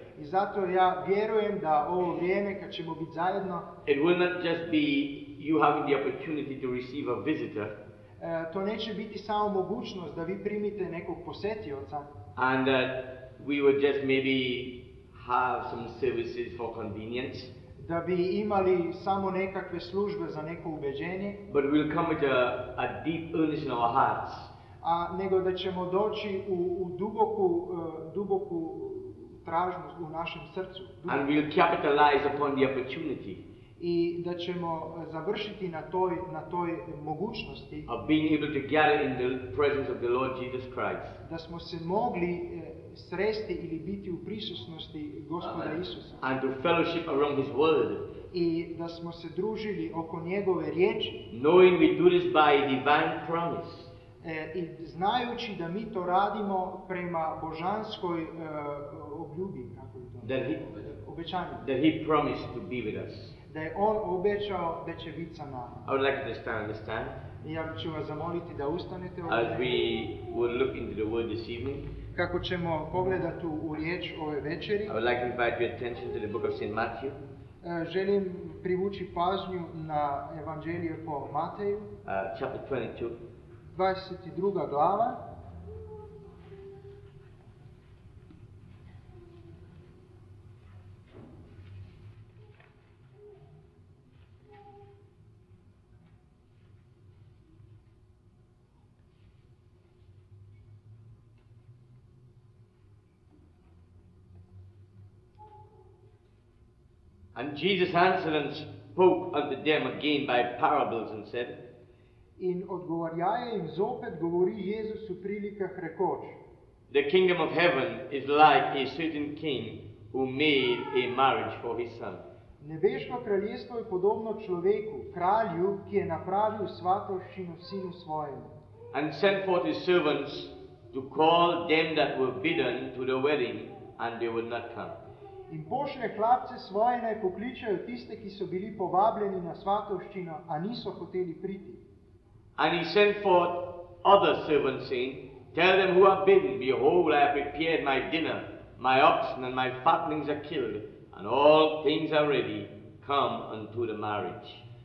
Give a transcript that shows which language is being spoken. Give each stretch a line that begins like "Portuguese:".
Croatian: i zato ja vjerujem da ovo vrijeme kad ćemo biti zajedno,
English: it will not just be you having the opportunity to receive a visitor,
Croatian: to neće biti samo mogućnost da vi primite nekog posjetioca,
English: and that we would just maybe have some services for convenience,
Croatian: da bi imali samo nekakve službe za neko ubeđenje,
English: but we'll come with a deep earnest in our hearts,
Croatian: a nego da ćemo doći u duboku duboku tražnju u našem srcu,
English: and we'll capitalize upon the opportunity,
Croatian: i da ćemo završiti na toj mogućnosti
English: of being able to gather in the presence of the Lord Jesus Christ,
Croatian: da smo se mogli sresti ili biti u prisutnosti Gospoda Isusa,
English: and to fellowship around his word,
Croatian: i da smo se družili oko njegove riječi,
English: knowing we do this by divine promise,
Croatian: i znajući da mi to radimo prema božanskoj obljubi, kako je to, obećanju,
English: that he promised to be with us,
Croatian: da je on obećao da će biti sa nama.
English: I would like to stand.
Croatian: Ja ću vas zamoliti da ustanete ovdje.
English: As we will look into the word this evening,
Croatian: kako ćemo pogledati u riječ ove večeri.
English: I would like to invite your attention to the book of St. Matthew.
Croatian: Želim privući pažnju na evanđelje po Mateju.
English: Chapter 22.
Croatian: 22. glava.
English: And Jesus answered and spoke unto them again by parables and said,
Slovenian: in odgovarjaje im zopet govori Jezus u prilikah rekoč,
English: the kingdom of heaven is like a certain king who made a marriage for his son.
Slovenian: Nebeško kraljestvo je podobno človeku, kralju, ki je napravil svatovščinu sinu svojemu.
English: And sent forth his servants to call them that were bidden to the wedding, and they would not come.
Slovenian: In pošlje hlapce svoje naj pokličajo tiste, ki so bili povabljeni na svatovščino, a niso hoteli priti.
English: And he sent forth other servants, saying, tell them who are bidden, behold, I have prepared my dinner, my oxen and my fatlings are killed, and all things are ready, come unto the marriage.